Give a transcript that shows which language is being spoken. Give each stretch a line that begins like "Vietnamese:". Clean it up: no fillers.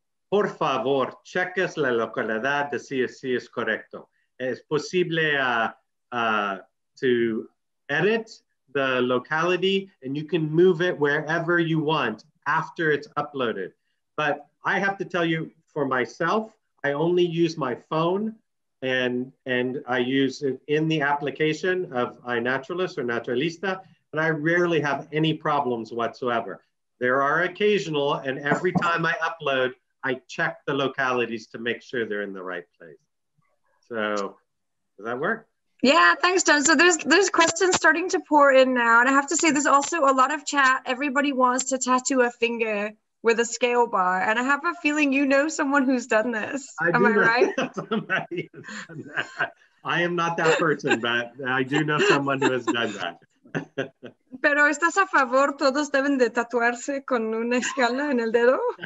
Spanish: Por favor, cheques la localidad de si es correcto.
English: It's possible to edit the locality and you can move it wherever you want after it's uploaded. But I have to tell you for myself, I only use my phone and I use it in the application of iNaturalist or Naturalista, and I rarely have any problems whatsoever. There are occasional, and every time I upload, I check the localities to make sure they're in the right place. So, does that work? Yeah, thanks, John. So there's questions starting to pour in now. And I have to say, there's also a lot of chat. Everybody wants to tattoo a finger with a scale bar. And I have a feeling you know someone who's done this. Am I right? I am not that person, but I do know someone who has done that.
Spanish: Pero estás a favor, todos deben de tatuarse con una escala en el dedo.